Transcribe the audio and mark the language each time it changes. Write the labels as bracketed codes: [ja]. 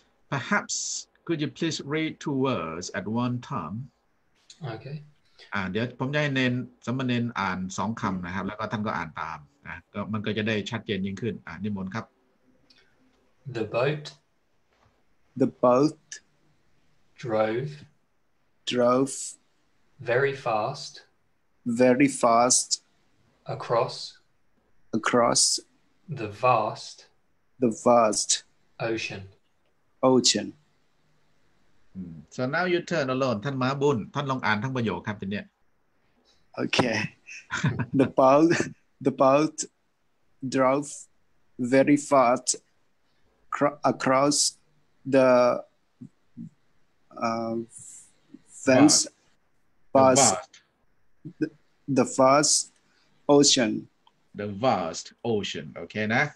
[en] perhaps could you please read two words at one time okay [th] เดี๋ยวผมจะให้เน้นสมณเณรอ่านสองคำนะครับแล้วก็ท่านก็อ่านตามนะก็มันก็จะได้ชัดเจนยิ่งขึ้นนิมนต์ครับ [en] the boat drove very fast across the vast ocean so now you turn alone [th] ท่านมาบุญท่านลองอ่านทั้งประโยคครับทีเนี้ย [en] Okay. The boat drove very fast across the vast ocean. The vast ocean. Okay, nah?